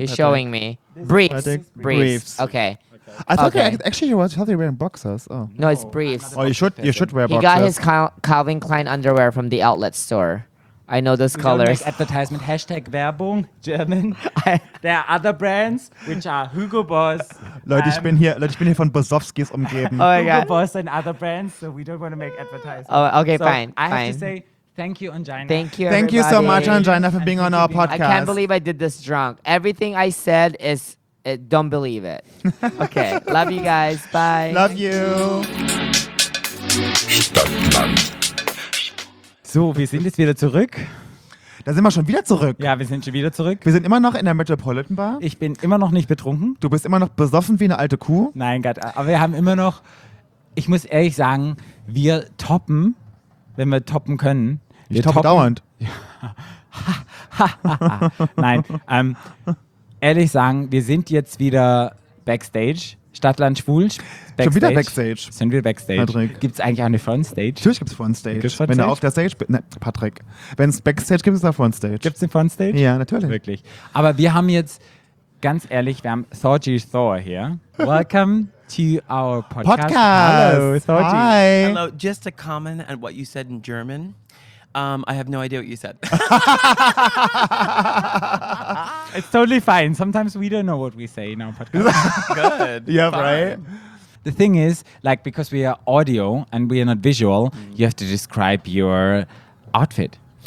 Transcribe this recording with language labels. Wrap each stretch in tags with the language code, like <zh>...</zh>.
<en>He's showing me. Briefs. Okay. I thought okay. I thought you're wearing boxers. Oh. No, it's briefs. Oh, you should wear boxers. He got his Calvin Klein underwear from the outlet store. I know those colors. Don't make advertisement. Hashtag Werbung, German. There are other brands, which are Hugo Boss.</en> <de>Leute, ich bin hier von Bosowskis umgeben. Oh</de> <en>Hugo Boss and other brands, so we don't want to make advertisements. Oh, okay, so fine. I have fine. to say, thank you, Angina. Thank you, thank everybody. You so much, Angina, for and being on our podcast. I can't believe I did this drunk. Everything I said is, don't believe it. Okay, love you guys. Bye. Love you.</en> <de>So, wir sind jetzt wieder zurück. Da sind wir schon wieder zurück. Ja, wir sind schon wieder zurück. Wir sind immer noch in der Metropolitan Bar. Ich bin immer noch nicht betrunken. Du bist immer noch besoffen wie eine alte Kuh. Nein, Gott, aber wir haben immer noch, ich muss ehrlich sagen, wir toppen, wenn wir toppen können. Ich toppe dauernd. Nein, ehrlich sagen, wir sind jetzt wieder backstage. Stadtland schwul, Backstage. Schon wieder Backstage. Sind wir Backstage. Patrick. Gibt es eigentlich auch eine Frontstage? Natürlich gibt es Frontstage. Frontstage. Wenn du auf der Stage bist. Ne, Patrick. Wenn es Backstage gibt, ist es auch Frontstage. Gibt es eine Frontstage? Ja, natürlich. Wirklich. Aber wir haben jetzt, ganz ehrlich, wir haben Thorgy Thor hier.</de> <en>Welcome to our podcast. Hello, Thorgy. Hi. Hello, just a comment on what you said in German. I have no idea what you said. It's totally fine. Sometimes we don't know what we say in our podcast. Good. Yeah, fine. Right? The thing is, like, because we are audio and we are not visual, you have to describe your outfit.</en>